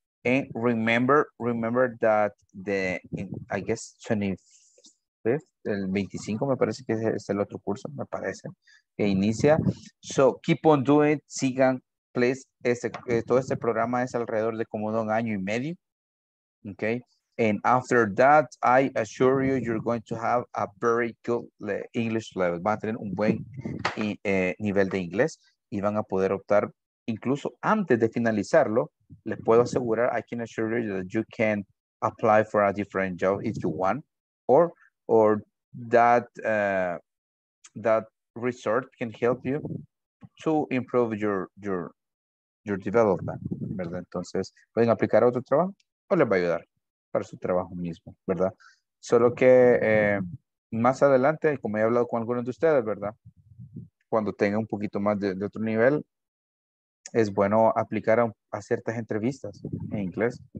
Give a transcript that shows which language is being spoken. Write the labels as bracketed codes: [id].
[en] And remember that the, I guess, 25th, [es] el 25 me parece que es el otro curso, me parece, que inicia. [en] So, keep on doing, [es] sigan, [en] please. [es] Todo este programa es alrededor de como 1 año y medio, okay. [en] And after that, I assure you, you're going to have a very good English level. [es] Van a tener un buen nivel de inglés y van a poder optar incluso antes de finalizarlo. Les puedo asegurar, [en] I can assure you that you can apply for a different job if you want. Or that that resort can help you to improve your your development, ¿verdad? [es] Entonces, pueden aplicar a otro trabajo o les va a ayudar para su trabajo mismo, ¿verdad? Solo que más adelante, como he hablado con algunos de ustedes, ¿verdad? Cuando tenga un poquito más de otro nivel, es bueno aplicar a ciertas entrevistas en inglés.